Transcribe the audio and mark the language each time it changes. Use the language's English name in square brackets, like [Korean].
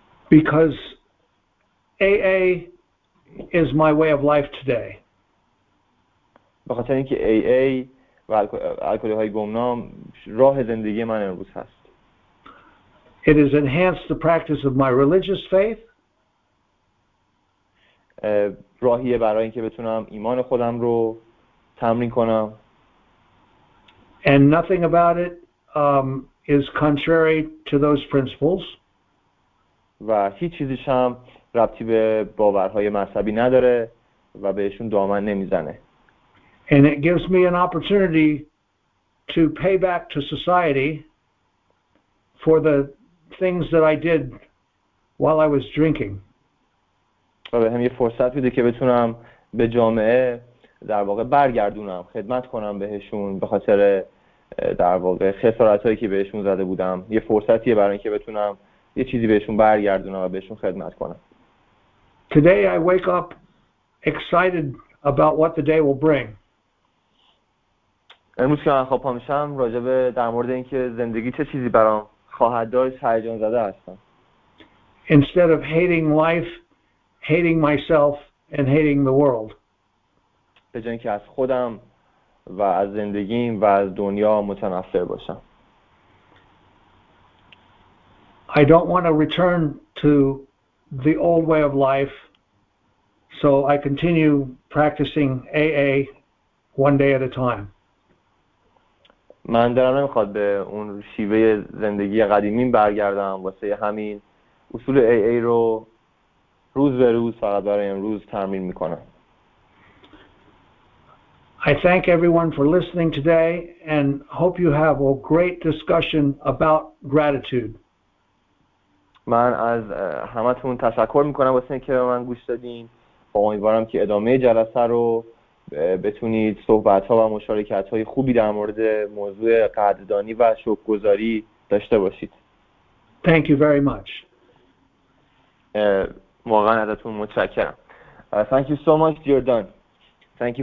[English] Because AA is my way of life today. [Persian] بخاطر اینکه AA و الکلی های گمنام راه زندگی من امروز هست. [English] It has enhanced the practice of my religious faith. [Persian] راهیه برای اینکه بتونم ایمان خودم رو تمرین کنم. [English] And nothing about it is contrary to those principles. [Persian] و هیچ چیزش هم ربطی به باورهای مذهبی نداره و بهشون دامن نمیزنه. [English] And it gives me an opportunity to pay back to society for the things that I did while I was drinking. [Persian] و به هم یه فرصت میده که بتونم به جامعه در واقع برگردونم خدمت کنم بهشون به خاطر در واقع خسارت هایی که بهشون زده بودم، یه فرصتیه برای اینکه بتونم یه چیزی بهشون برگردونم و بهشون خدمت کنم. [English] Today I wake up excited about what the day will bring. [Persian] امروز که من خواب پا میشم راجع به در مورد اینکه زندگی چه چیزی برام خواهد داشت هیجان زده هستم. [English] Instead of hating life, hating myself and hating the world. [Persian] به جای اینکه از خودم و از زندگیم و از دنیا متنفر باشم. [English] I don't want to return to the old way of life, so I continue practicing AA one day at a time. [Persian] من دارم نمیخواد به اون شیوه زندگی قدیمیم برگردم، واسه همین اصول AA رو روز به روز فقط برای امروز تمرین میکنم. [English] I thank everyone for listening today and hope you have a great discussion about gratitude. [Persian] من از همتون تشکر میکنم واسه اینکه به من گوش دادین. امیدوارم که ادامه جلسه رو بتونید صحبت‌ها و مشارکت‌های خوبی در مورد موضوع قدردانی و شکرگزاری داشته باشید. [English] Thank you very much. [Persian] واقعا ازتون متشکرم. [English] Thank you so much, Jordan. Thank you.